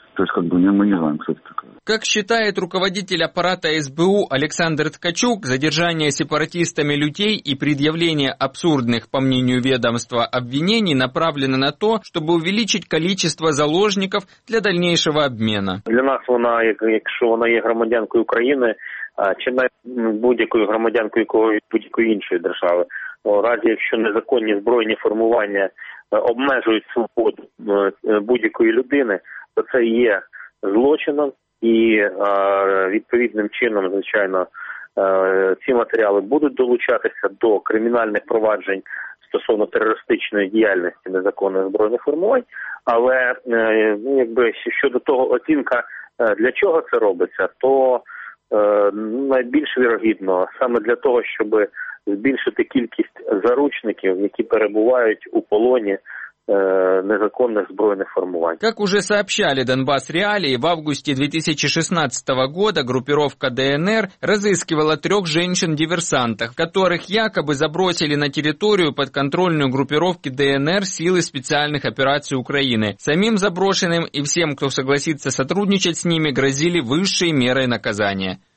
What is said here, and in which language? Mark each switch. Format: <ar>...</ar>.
<ru>То есть как бы мы не знаем, кто это такая. Как считает руководитель аппарата СБУ Александр Ткачук, задержание сепаратистами людей и предъявление абсурдных, по мнению ведомства, обвинений направлено на то, чтобы увеличить количество заложников для дальнейшего обмена.</ru> <uk>Для нас она, если она є громадянкою України, чи будь-якою громадянкою якої будь-якої іншої держави, у разі, якщо незаконні збройні формування обмежують свободу будь-якої людини, то це є злочином, і відповідним чином, звичайно, ці матеріали будуть долучатися до кримінальних проваджень стосовно терористичної діяльності незаконних збройних формувань. Але якби щодо того оцінка, для чого це робиться, то найбільш вірогідно саме для того, щоб збільшити кількість заручників, які перебувають у полоні незаконных збройных формувань.</uk> <ru>Как уже сообщали Донбасс Реалии, в августе 2016 года группировка ДНР разыскивала трех женщин-диверсантов, которых якобы забросили на территорию подконтрольную группировке ДНР силы специальных операций Украины. Самим заброшенным и всем, кто согласится сотрудничать с ними, грозили высшие меры наказания.</ru>